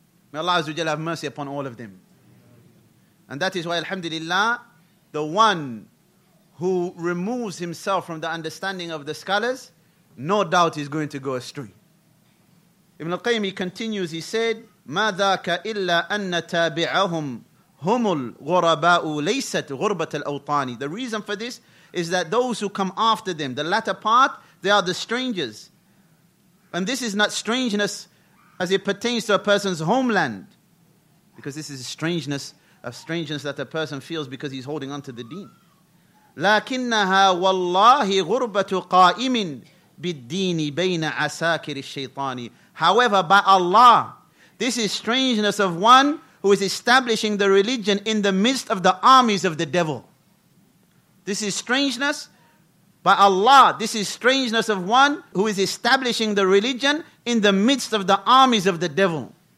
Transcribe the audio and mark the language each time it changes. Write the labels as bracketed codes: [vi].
[en] May Allah Azza wa Jalla have mercy upon all of them. And that is why, alhamdulillah, the one who removes himself from the understanding of the scholars, no doubt is going to go astray. Ibn al-Qayyim, he continues, he said, [ar] مَا ذَاكَ إِلَّا أَنَّ تَابِعَهُمْ هم الغرباء ليست غربة الأوطان. [en] The reason for this is that those who come after them, the latter part, they are the strangers. And this is not strangeness as it pertains to a person's homeland, because this is a strangeness that a person feels because he's holding on to the deen. [ar] لكنها والله غربة قائم بالدين بين عساكر الشيطان. [en] However, by Allah, this is strangeness of one who is establishing the religion in the midst of the armies of the devil. This is strangeness. By Allah, this is strangeness of one who is establishing the religion in the midst of the armies of the devil.